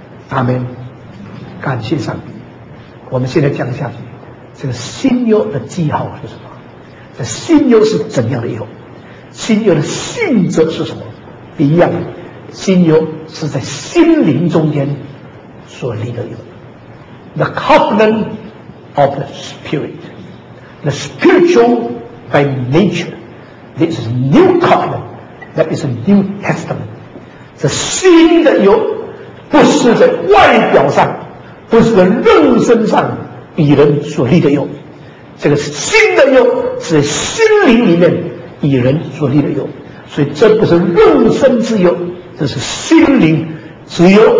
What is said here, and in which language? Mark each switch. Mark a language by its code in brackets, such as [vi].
[zh] 阿们，感谢上帝。我们现在讲下去，这个新约的记号是什么？这新约是怎样的约？新约的性质是什么？一样，新约是在心灵中间所立的约。 [en] The covenant of the spirit, the spiritual by nature, this is new covenant, that is a new testament. [zh] 这新的约不是在外表上，不是在肉身上与人所立的约，这个新的约是心灵里面与人所立的约。所以这不是肉身之约，这是心灵之约。